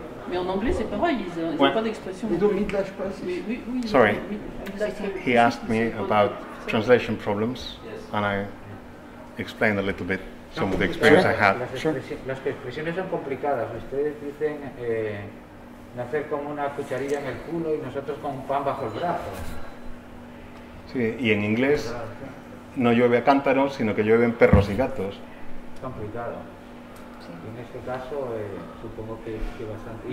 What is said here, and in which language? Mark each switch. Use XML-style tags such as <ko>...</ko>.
<fr>Mais en anglais, c'est pareil, ils n'ont pas d'expression. Hugo, midlash, quoi.</fr> <en>Sorry. He asked me about translation problems, and I explained a little bit some of the experience I had.</en> <es>Las expresiones son complicadas. Ustedes dicen nacer como una cucharilla en el culo y nosotros con pan bajo el brazo. Sí, y en inglés no llueve a cántaros, sino que llueven perros y gatos. Complicado. En este caso, supongo que bastante.</es>